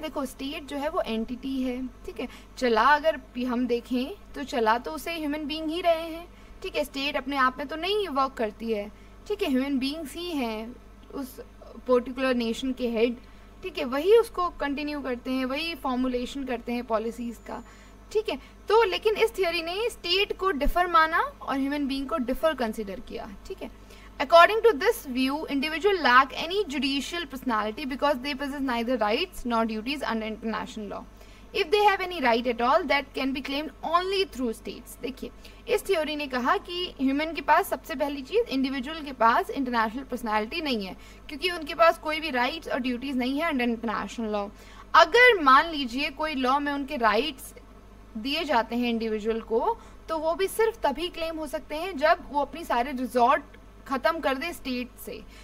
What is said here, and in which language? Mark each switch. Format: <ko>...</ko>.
<hi>देखो स्टेट जो है वो एंटिटी है, ठीक है, चला अगर हम देखें तो चला तो उसे ह्यूमन बीइंग ही रहे हैं, ठीक है, स्टेट अपने आप में तो नहीं वर्क करती है, ठीक है, ह्यूमन बीइंग्स ही हैं उस पर्टिकुलर नेशन के हेड, ठीक है, वही उसको कंटिन्यू करते हैं, वही फॉर्मुलेशन करते हैं पॉलिसीज का, ठीक है। तो लेकिन इस थ्योरी ने स्टेट को डिफर माना और ह्यूमन बीइंग को डिफर कंसिडर किया, ठीक है।</hi> <en>According to this view, individuals lack any judicial personality because they possess neither rights nor duties under international law. If they have any right at all, that can be claimed only through states.</en> <hi>देखिए, इस theory ने कहा कि human के पास सबसे पहली चीज individual के पास इंटरनेशनल पर्सनैलिटी नहीं है क्योंकि उनके पास कोई भी राइट्स और ड्यूटीज नहीं है अंडर इंटरनेशनल लॉ. अगर मान लीजिए कोई लॉ में उनके राइट्स दिए जाते हैं इंडिविजुअल को, तो वो भी सिर्फ तभी क्लेम हो सकते हैं जब वो अपनी सारे रिजॉर्ट खत्म कर दे स्टेट से.</hi>